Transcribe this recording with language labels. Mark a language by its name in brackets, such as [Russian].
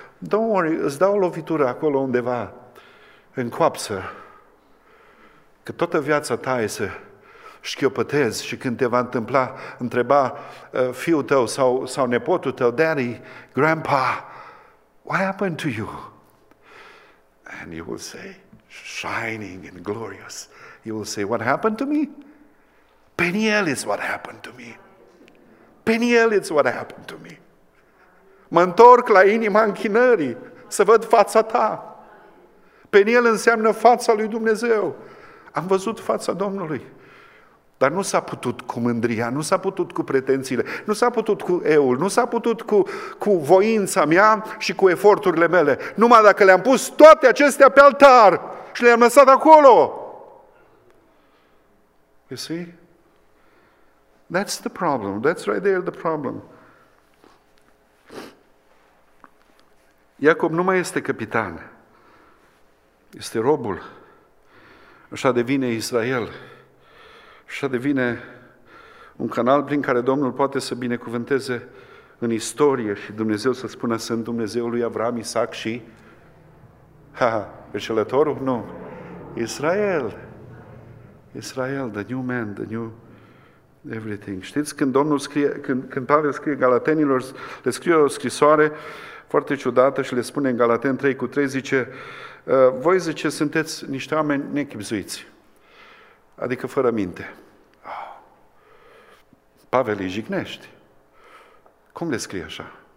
[English] Don't worry, [Romanian] îți dau o lovitură acolo undeva, în coapsă, că toată viața ta e să șchiopătezi și când te va întreba fiul tău sau nepotul tău, [English] Daddy, Grandpa, what happened to you? And you will say, shining and glorious, you will say, what happened to me? Peniel is what happened to me. Peniel is what happened to me. [Romanian] Mă întorc la inima închinării să văd fața ta. Peniel înseamnă fața lui Dumnezeu. Am văzut fața Domnului. Dar nu s-a putut cu mândria, nu s-a putut cu pretențiile, nu s-a putut cu eul, nu s-a putut cu voința mea și cu eforturile mele. Numai dacă le-am pus toate acestea pe altar și le-am lăsat acolo. [English] You see? That's the problem. That's right there the problem. [Romanian] Iacob nu mai este capitan. Este robul. Așa devine Israel. Așa devine un canal prin care Domnul poate să binecuvânteze în istorie și Dumnezeu să spună sunt Dumnezeul lui Avram, Isaac și înșelătorul? Nu. Israel. [English] Israel, the new man, the new everything. [Romanian] Știți când Domnul scrie, când Pavel scrie Galatenilor, le scrie o scrisoare foarte ciudată și le spune în Galaten 3:3, zice, voi zice, sunteți niște oameni nechipzuiți, adică fără minte. Oh. Pavel îi jignește. Cum le scrie așa?